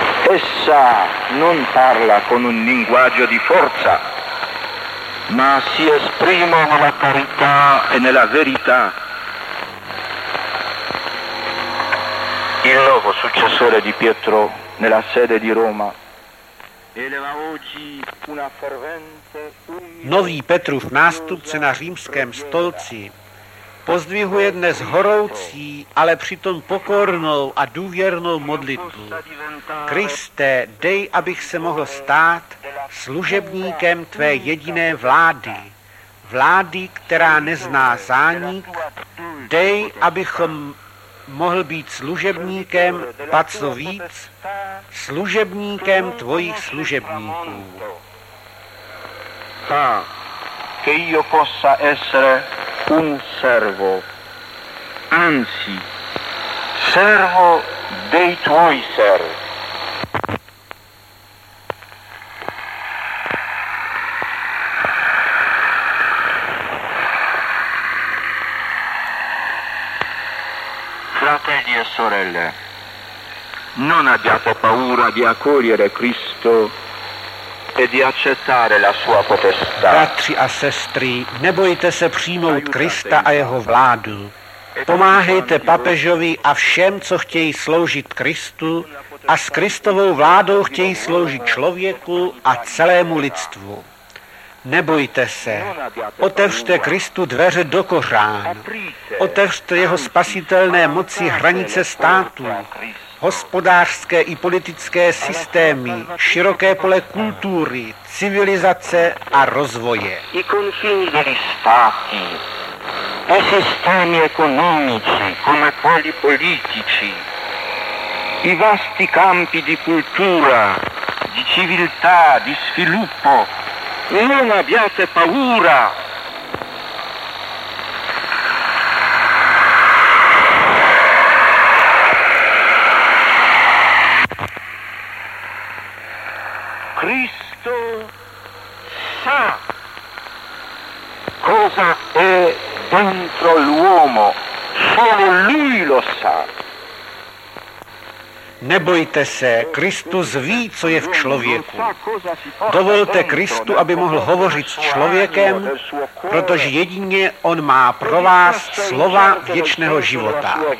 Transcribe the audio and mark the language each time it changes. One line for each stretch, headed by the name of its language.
Italian: Essa non parla con un linguaggio di forza, ma si esprime nella carità e nella verità. Il nuovo successore di Pietro nella sede di Roma eleva oggi una fervente...
Czech: Nový Petrův nástupce na římském stolci pozdvihuje dnes horoucí, ale přitom pokornou a důvěrnou modlitbu. Kriste, dej, abych se mohl stát služebníkem tvé jediné vlády, vlády, která nezná zánik, dej, abychom mohl být služebníkem, ba co víc, služebníkem tvojich služebníků.
Italian: Ta, che io possa essere un servo, anzi, servo dei tuoi servi. Fratelli e sorelle, non abbiate paura di accogliere Cristo e di accettare la sua potestà.
Czech: Bratři a sestry, nebojte se přijmout Krista a jeho vládu. Pomáhejte papežovi a všem, co chtějí sloužit Kristu a s Kristovou vládou chtějí sloužit člověku a celému lidstvu. Nebojte se, otevřte Kristu dveře do kořán, otevřte jeho spasitelné moci hranice států, hospodářské i politické systémy, široké pole kultury, civilizace a rozvoje.
Italian: I confini degli stati, i sistemi economici, come quelli politici, i vasti campi di cultura, di civiltà, di sviluppo, non abbiate paura. Cristo sa cosa è dentro l'uomo, solo lui lo sa.
Czech: Nebojte se, Kristus ví, co je v člověku. Dovolte Kristu, aby mohl hovořit s člověkem, protože jedině on má pro vás slova věčného života.